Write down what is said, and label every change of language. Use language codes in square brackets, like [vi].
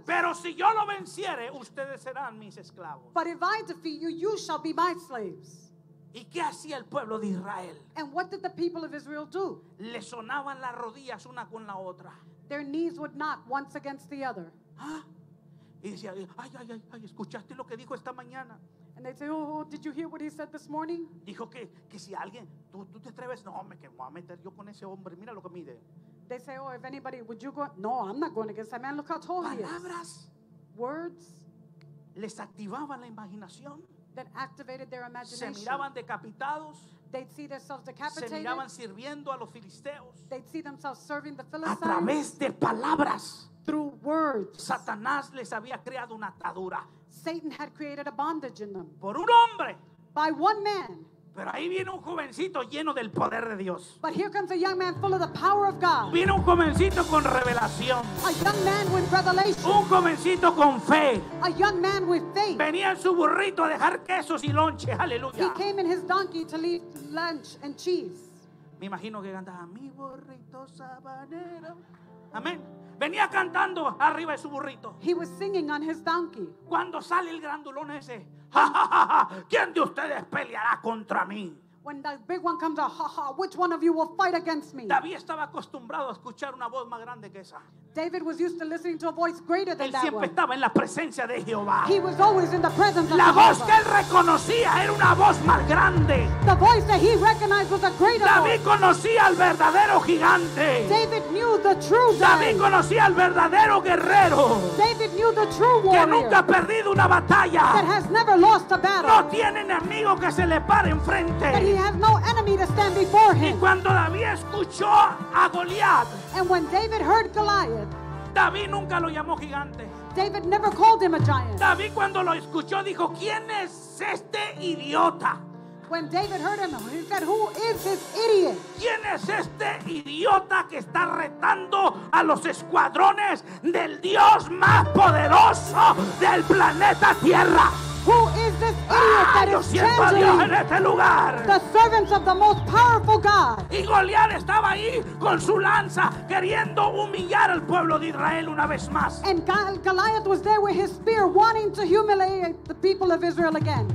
[es] Pero si yo lo venciere, ustedes serán mis esclavos. [en] But if I defeat you, you shall be my slaves. [es] ¿Y qué hacía el pueblo de Israel? [en] And what did the people of Israel do? [es] Le sonaban las rodillas una con la otra. [en] Their knees would knock once against the other. [es] Y decía, ay, ay, ay, ay, ¿escuchaste lo que dijo esta mañana? [en] And they'd say, oh, did you hear what he said this morning? [es] Dijo que si alguien, tú te atreves, no, me voy a meter yo con ese hombre, mira lo que mide. [en] They say, oh, if anybody, would you go? No, I'm not going against that man, look how tall he is. [es] Palabras. [en] Words. [es] Les activaban la imaginación. [en] That activated their imagination. [es] Se miraban decapitados. [en] They'd see themselves decapitated. [es] Se miraban sirviendo a los filisteos. [en] They'd see themselves serving the Philistines. [es] A través de palabras. [en] Through words. [es] Satanás les había creado una atadura. [en] Satan had created a bondage in them. [es] Por un hombre. [en] By one man. [es] Pero ahí viene un jovencito lleno del poder de Dios. [en] But here comes a young man full of the power of God. [es] Viene un jovencito con revelación. [en] A young man with revelation. [es] Un jovencito con fe. [en] A young man with faith. [es] Venía en su burrito a dejar quesos y lonche. Aleluya. [en] He came in his donkey to leave lunch and cheese. [es] Me imagino que cantaba mi burrito sabanero. Amén. Venía cantando arriba de su burrito. [en] He was singing on his donkey. [es] Cuando sale el grandulón ese, ja, ja, ja, ja, ¿quién de ustedes peleará contra mí? [en] When the big one comes out, ha, ha, which one of you will fight against me? [es] David estaba acostumbrado a escuchar una voz más grande que esa. [en] David was used to listening to a voice greater than [es] él siempre [en] that one. [es] Estaba en la presencia de Jehová. [en] He was always in the presence [es] la [en] of [es] voz [en] Jehovah. [es] Que él reconocía era una voz más grande. [en] The voice that he recognized was a greater [es] David David conocía al verdadero gigante. [en] David knew the true [es] David. David conocía al verdadero guerrero. [en] David knew the true warrior. [es] Que nunca ha perdido una batalla. [en] That has never lost a battle. [es] No tiene enemigo que se le pare enfrente. [en] That he has no enemy to stand before him. [es] Y cuando David escuchó a Goliat. [en] And when David heard Goliath. [es] David nunca lo llamó gigante. [en] David never called him a giant. [es] David cuando lo escuchó dijo, ¿quién es este idiota? [en] When David heard him, he said, who is this idiot? [es] ¿Quién es este idiota que está retando a los escuadrones del Dios más poderoso del planeta Tierra? [en] Who is this idiot that [es] yo [en] is challenging [es] en este lugar? [en] The servants of the most powerful God? [es] Y Goliat estaba ahí con su lanza queriendo humillar al pueblo de Israel una vez más. [en] And Goliath was there with his spear wanting to humiliate the people of Israel again.